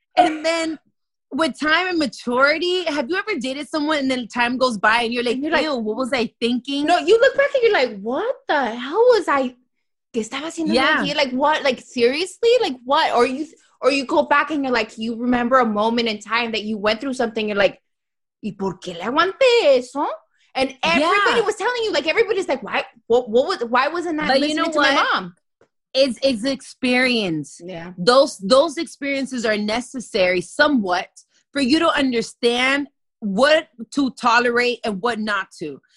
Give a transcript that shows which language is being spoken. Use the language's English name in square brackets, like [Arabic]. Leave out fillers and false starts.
[English] And then with time and maturity, have you ever dated someone and then time goes by and you're like, ew, what was I thinking? No, you look back and you're like, what the hell was I? [Spanish] ¿Qué estaba haciendo? [English] Yeah. Like what? Like seriously? Like what? Or you go back and you're like, you remember a moment in time that you went through something. You're like, [Spanish] ¿y por qué le aguanté eso? [English] And everybody was telling you, like, everybody's like, why? Why wasn't that listening to my mom? It's experience. Yeah. Those experiences are necessary somewhat for you to understand what to tolerate and what not to.